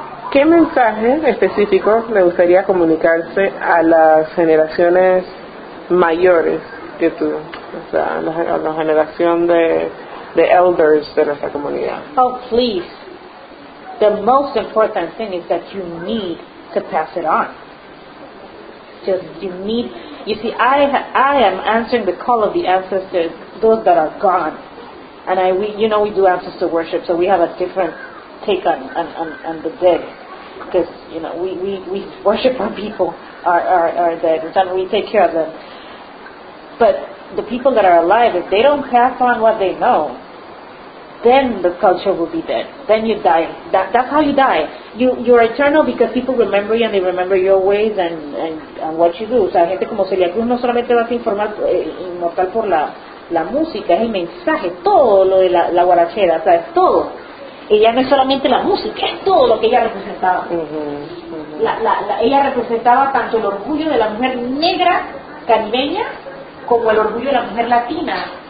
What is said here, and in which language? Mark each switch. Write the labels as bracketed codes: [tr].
[es] ¿Qué mensaje específico le gustaría comunicarse a las generaciones mayores que tú? O sea, a la generación de elders de nuestra comunidad. [en] Oh, please. The most important thing is that you need to pass it on. Just you need, you see, I am answering the call of the ancestors, those that are gone. And we do ancestor worship, so we have a different take on the dead. Because, you know, we worship our people, our dead, and we take care of them. But the people that are alive, if they don't pass on what they know, then the culture will be dead. Then you die. That's how you die. You're eternal because people remember you and they remember your ways and what you do. [es] O sea, gente como Celia Cruz no solamente va a ser inmortal por la música, es el mensaje, todo lo de la guarachera, o sea, es todo. Ella no es solamente la música, es todo lo que ella representaba. Uh-huh, uh-huh. Ella representaba tanto el orgullo de la mujer negra caribeña como el orgullo de la mujer latina.